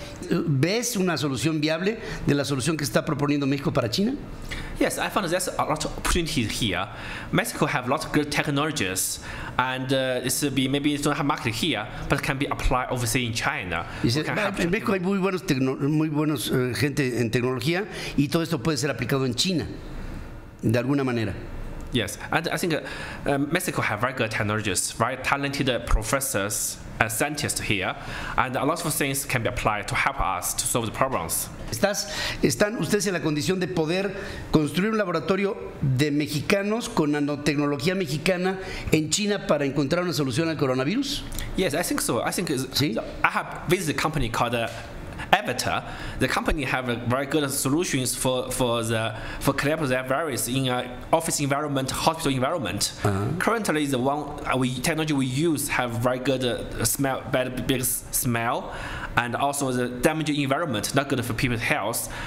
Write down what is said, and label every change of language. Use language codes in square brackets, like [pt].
[es] ¿Ves una solución viable de la solución que está proponiendo México para China? [en] Yes, I found there's a lot of opportunities here. Mexico have a lot of good technologies, and maybe it's not a market here, but it can be applied overseas in China. [es] En México hay muy buenos gente en tecnología, y todo esto puede ser aplicado en China, de alguna manera. [en] Yes, and I think Mexico have very good technologies, very talented professors, scientists here, and a lot of things can be applied to help us to solve the problems. [es] ¿Están ustedes en la condición de poder construir un laboratorio de mexicanos con nanotecnología mexicana en China para encontrar una solución al coronavirus? [en] Yes, I think so. I think [es] ¿sí? [en] I have visited a company called Avatar. The company have very good solutions for clearing their virus in an office environment, hospital environment. Uh-huh. Currently, the one technology we use have very good smell, bad big smell, and also the damaging environment, not good for people's health.